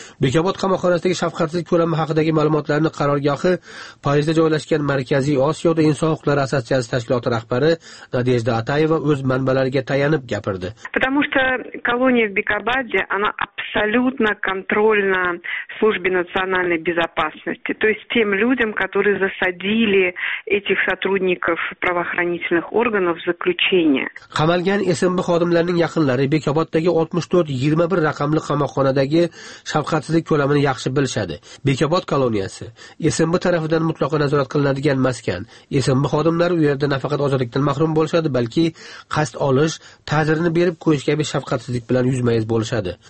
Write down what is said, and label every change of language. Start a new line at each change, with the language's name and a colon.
Uzbek: Bekobod qamoqxonasidagi shafqatsizlik ko'lami haqidagi ma'lumotlarni qarorgohi Parijda joylashgan Markaziy Osiyoda inson huquqlari assotsiatsiyasi tashkiloti rahbari Nadejda Atayeva o'z manbalariga tayanib gapirdi.
Russian: Потому что колония в Бекабаде, она абсолютно контрольна службе национальной безопасности, то есть тем людям, которые засадили этих сотрудников правоохранительных органов заключение.
Uzbek: Qamalgan SMB xodimlarining yaqinlari Bekoboddagi 6421 raqamli qamoqxonadagi shafqatsizlik ko'lamini yaxshi bilishadi. Bekobod koloniyasi SMB tomonidan mutlaqo nazorat qilinadigan maskan. SMB xodimlari u yerda nafaqat ozodlikdan mahrum bo'lishadi, balki qasd olish, ta'zirini berib qo'yish kabi shafqatsizlik bilan yuzma-yuz bo'lishadi.